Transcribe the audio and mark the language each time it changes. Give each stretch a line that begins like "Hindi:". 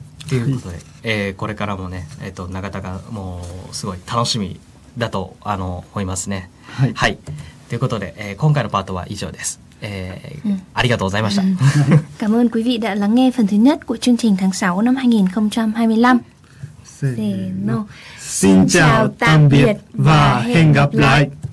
Japanese: ということで、これからもね、長田がもうすごい楽しみだと思いますね。はい、はい、ということで、今回のパートは以上です。ありがとうございました。
Vietnamese: cảm ơn quý vị đã lắng nghe phần thứ nhất của chương trình tháng 6 năm 2025. せーの、新ちゃん、たんびっ、わー、へんがっらい。